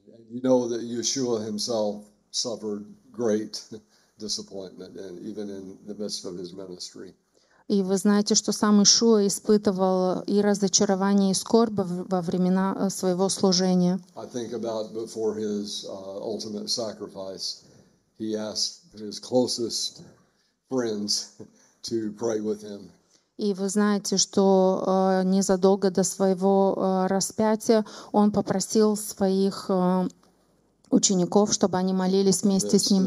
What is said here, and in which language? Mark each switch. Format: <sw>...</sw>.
<en>You know that Yeshua himself suffered great disappointment, and even in the midst of his ministry.</en> <ru>И вы знаете, что сам Иешуа испытывал и разочарование, и скорбь во времена своего служения.</ru> <en>I think about before his ultimate sacrifice, he asked his closest friends to pray with him.</en> <ru>И вы знаете, что незадолго до своего распятия он попросил своих учеников, чтобы они молились вместе с ним.</ru>